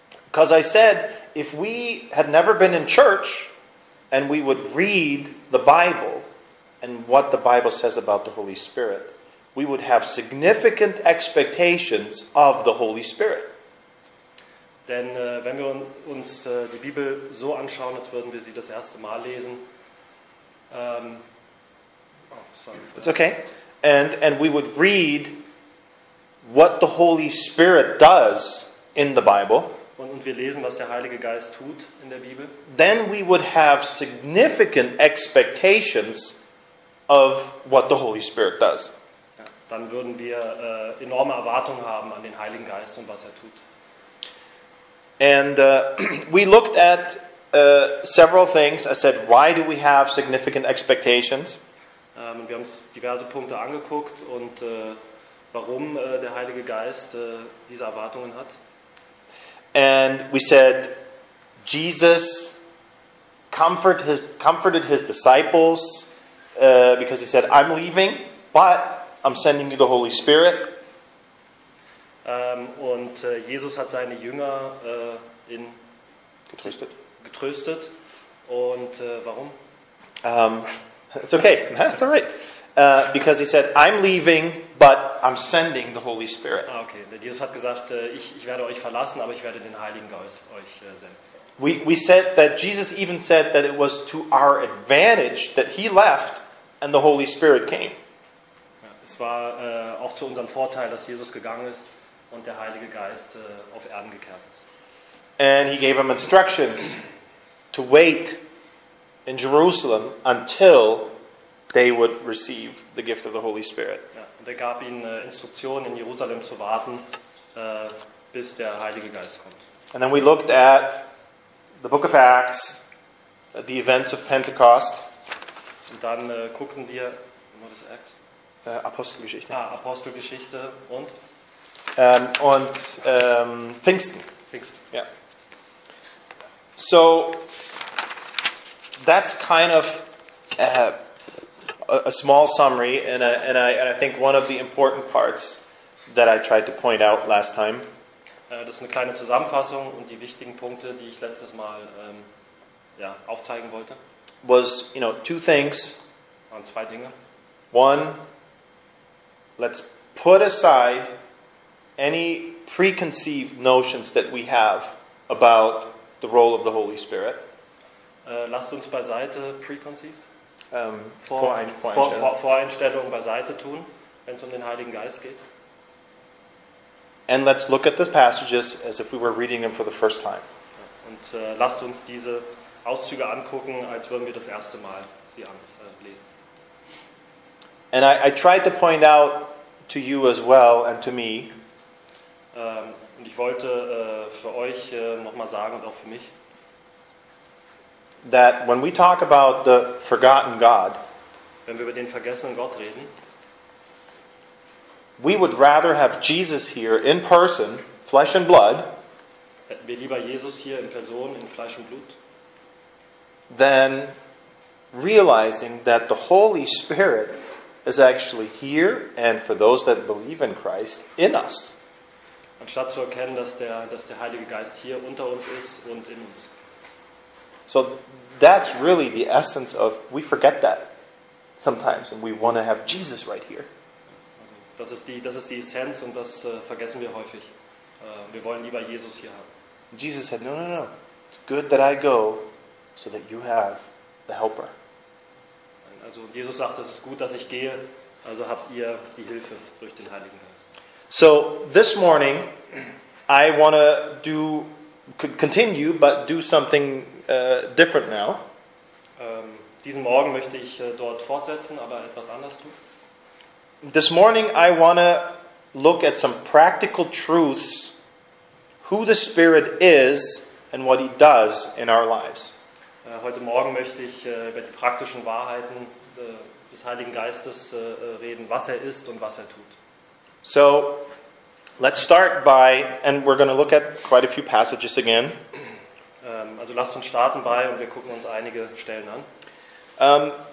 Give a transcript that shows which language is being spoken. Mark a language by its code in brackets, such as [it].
[en] Because I said, if we had never been in church, and we would read the Bible and what the Bible says about the Holy Spirit, we would have significant expectations of the Holy Spirit. [de] Denn wenn wir uns die Bibel so anschauen, als würden wir sie das erste Mal lesen. [en] It's okay. And we would read what the Holy Spirit does in the Bible. [de] Und wir lesen, was der Heilige Geist tut in der Bibel. [en] Then we would have significant expectations of what the Holy Spirit does. [de] Ja, dann würden wir enorme Erwartungen haben an den Heiligen Geist und was er tut. [en] And we looked at several things. I said, why do we have significant expectations? [de] Wir haben uns diverse Punkte angeguckt und warum der Heilige Geist diese Erwartungen hat. [en] And we said, Jesus comforted his disciples because he said, I'm leaving, but I'm sending you the Holy Spirit. [de] Und Jesus hat seine Jünger in getröstet. Und warum? [en] It's okay. That's all right. Because he said, I'm leaving, but I'm sending the Holy Spirit. [de] Okay, denn Jesus hat gesagt, ich werde euch verlassen, aber ich werde den Heiligen Geist euch senden. [en] We said that Jesus even said that it was to our advantage that he left and the Holy Spirit came. [de] Ja, es war auch zu unserem Vorteil, dass Jesus gegangen ist und der Heilige Geist auf Erden gekehrt ist. [en] And he gave him instructions to wait in Jerusalem until they would receive the gift of the Holy Spirit. [de] Ja, und er gab ihnen Instruktionen, in Jerusalem zu warten, bis der Heilige Geist kommt. [en] And then we looked at the book of Acts, the events of Pentecost. [de] Und dann guckten wir, was ist Acts? Apostelgeschichte. Ah, Apostelgeschichte und? Pfingsten. Pfingsten. [en] Yeah. So, that's kind of a small summary, and I think one of the important parts that I tried to point out last time. [de] Das ist eine kleine Zusammenfassung und die wichtigen Punkte, die ich letztes Mal aufzeigen wollte. [en] Was, you know, two things. [de] Waren zwei Dinge. [en] One, let's put aside any preconceived notions that we have about the role of the Holy Spirit. [de] Lasst uns beiseite preconceived. Voreinstellungen beiseite tun, wenn es um den Heiligen Geist geht. [en] And let's look at these passages as if we were reading them for the first time. [de] Und lasst uns diese Auszüge angucken, als würden wir das erste Mal sie lesen. [en] And I tried to point out to you as well and to me. [de] Und ich wollte für euch nochmal sagen und auch für mich, [en] that when we talk about the forgotten God, [de] wenn wir über den vergessenen Gott reden, [en] we would rather have Jesus here in person, flesh and blood, [de] hätten wir lieber Jesus hier in Person, in Fleisch und Blut, [en] than realizing that the Holy Spirit is actually here and for those that believe in Christ, in us. [de] Anstatt zu erkennen, dass der Heilige Geist hier unter uns ist und in uns. [en] So that's really the essence of, we forget that sometimes and we want to have Jesus right here. [de] Das ist die Essenz und das vergessen wir häufig. Wir wollen lieber Jesus hier haben. [en] Jesus said, no. It's good that I go so that you have the helper. [de] Also Jesus sagt, es ist gut, dass ich gehe, also habt ihr die Hilfe durch den Heiligen Geist. [en] So this morning I want to continue but do something different now. [de] Diesen Morgen möchte ich dort fortsetzen, aber etwas anders tun. [en] This morning I want to look at some practical truths, who the Spirit is and what he does in our lives. [de] Heute Morgen möchte ich über die praktischen Wahrheiten des Heiligen Geistes reden, was er ist und was er tut. [en] So, let's start by, and we're going to look at quite a few passages again. [de] Also lasst uns starten bei und wir gucken uns einige Stellen an.